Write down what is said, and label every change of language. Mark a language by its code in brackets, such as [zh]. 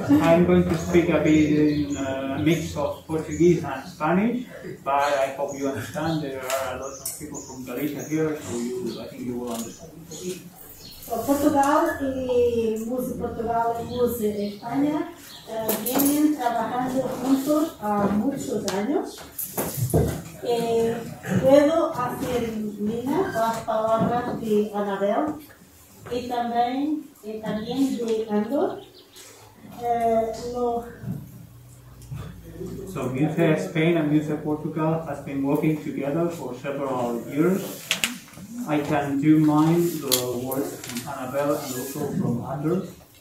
[en] I'm going to speak a bit in a mix of Portuguese and Spanish, but I hope you understand there are a lot of people from Galicia here, so I think you will understand. [es] Portugal y MUSE, Portugal y MUSE de España vienen trabajando juntos a muchos años. Puedo hacer mía las palabras de Anabel y también [en] So MUSE Spain and MUSE Portugal has been working together for several years. I can do mine the words from Annabelle and also from others.